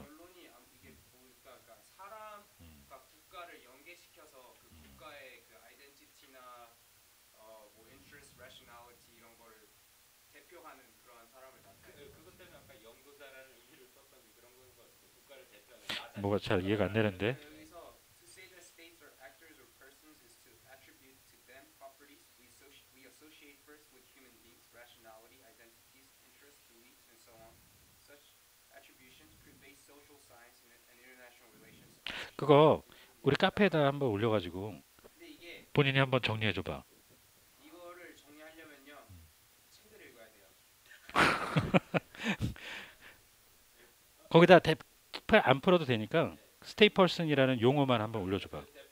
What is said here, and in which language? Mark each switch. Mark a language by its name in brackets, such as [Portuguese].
[Korean] 결론이 이게 보니까 그러니까 사람과 국가를 연계시켜서 그 국가의 그 아이덴티티나 뭐 인트레스 래셔널리티 이런 거를 대표하는 그러한 사람을 나타내. 그것 때문에 아까 영도자라는 의미를 썼던 그런 거인 것 같아요. 국가를 대표하는 뭐가 잘 이해가 안 되는데. [English] 여기서 to say that states are actors or persons is to attribute to them properties we associate first with human beings, rationality, identities, interests, beliefs and so on. Such Social science and international relations. [Korean] 그거 우리 카페에다 한번 올려가지고 본인이 한번 정리해줘봐. 이거를 정리하려면요 책을 읽어야 돼요. 거기다 대표 안 풀어도 되니까 네. 스테이퍼슨이라는 용어만 한번 올려줘봐.